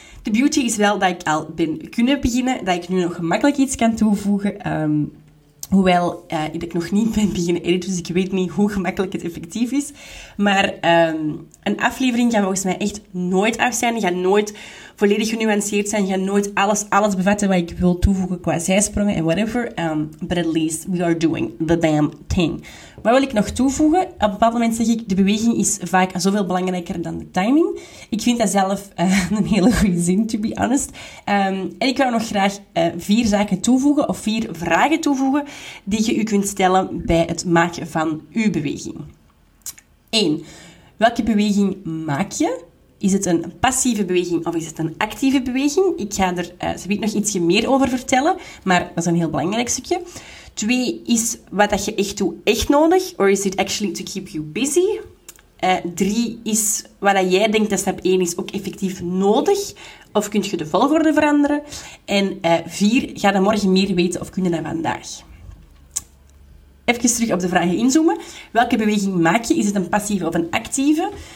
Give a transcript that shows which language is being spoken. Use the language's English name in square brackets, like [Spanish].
[Dutch] De beauty is wel dat ik al ben kunnen beginnen, dat ik nu nog gemakkelijk iets kan toevoegen... Hoewel ik nog niet ben beginnen editen, dus ik weet niet hoe gemakkelijk het effectief is. Maar een aflevering gaat volgens mij echt nooit af zijn. Gaat nooit volledig genuanceerd zijn. Gaat nooit alles bevatten wat ik wil toevoegen qua zijsprongen en whatever. [English] But at least we are doing the damn thing. [Dutch] Wat wil ik nog toevoegen? Op een bepaald moment zeg ik, de beweging is vaak zoveel belangrijker dan de timing. Ik vind dat zelf een hele goede zin, [English] to be honest. [Dutch] En ik wou nog graag 4 zaken toevoegen of 4 vragen toevoegen die je u kunt stellen bij het maken van uw beweging. 1. Welke beweging maak je? Is het een passieve beweging of is het een actieve beweging? Ik ga er nog ietsje meer over vertellen, maar dat is een heel belangrijk stukje. 2. Is wat dat je echt doet echt nodig? [English] Or is it actually to keep you busy? [Dutch] 3. Is wat dat jij denkt dat stap 1 is ook effectief nodig? Of kun je de volgorde veranderen? En 4. Ga dan morgen meer weten of kun je dat vandaag? Even terug op de vragen inzoomen. Welke beweging maak je? Is het een passieve of een actieve?